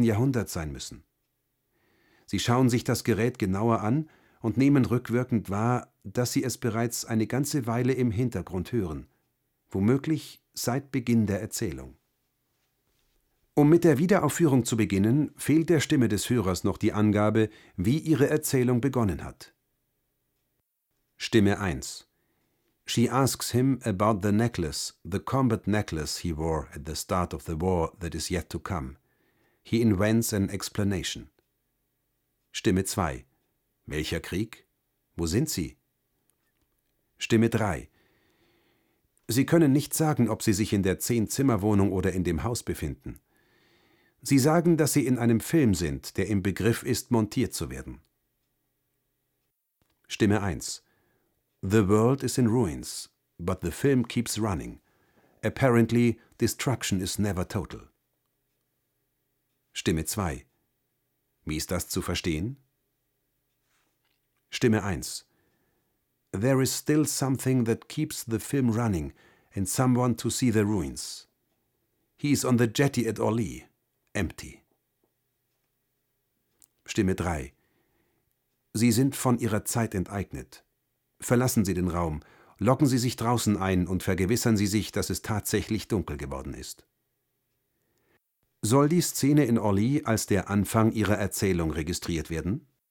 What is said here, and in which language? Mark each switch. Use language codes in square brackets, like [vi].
[de] Jahrhundert sein müssen. Sie schauen sich das Gerät genauer an und nehmen rückwirkend wahr, dass sie es bereits eine ganze Weile im Hintergrund hören, womöglich seit Beginn der Erzählung. Um mit der Wiederaufführung zu beginnen, fehlt der Stimme des Hörers noch die Angabe, wie ihre Erzählung begonnen hat. Stimme 1. [en] She asks him about the necklace, the combat necklace he wore at the start of the war that is yet to come. He invents an explanation. [de] Stimme 2. Welcher Krieg? Wo sind sie? Stimme 3. Sie können nicht sagen, ob sie sich in der 10-Zimmer-Wohnung oder in dem Haus befinden. Sie sagen, dass sie in einem Film sind, der im Begriff ist, montiert zu werden. Stimme 1. [en] The world is in ruins, but the film keeps running. Apparently, destruction is never total. [de] Stimme 2. Wie ist das zu verstehen? Stimme 1. [en] There is still something that keeps the film running and someone to see the ruins. He is on the jetty at Orly. Empty. [de] Stimme 3. Sie sind von ihrer Zeit enteignet. Verlassen Sie den Raum, locken Sie sich draußen ein und vergewissern Sie sich, dass es tatsächlich dunkel geworden ist. Soll die Szene in Orly als der Anfang Ihrer Erzählung registriert werden?